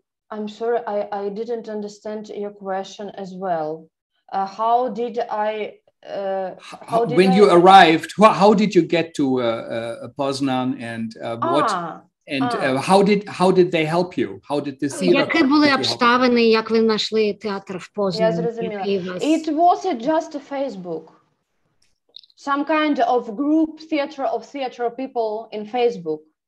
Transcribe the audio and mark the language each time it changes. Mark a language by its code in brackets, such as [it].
[en] I'm sorry, I didn't understand your question as well. How did I... How did you get to Poznan and what... And how did they help you? How did the theater? [uk] Які були обставини, як ви знайшли театр в Познані? Я зрозуміла. [en] It was just a Facebook. Some kind of group theater of theater people in Facebook.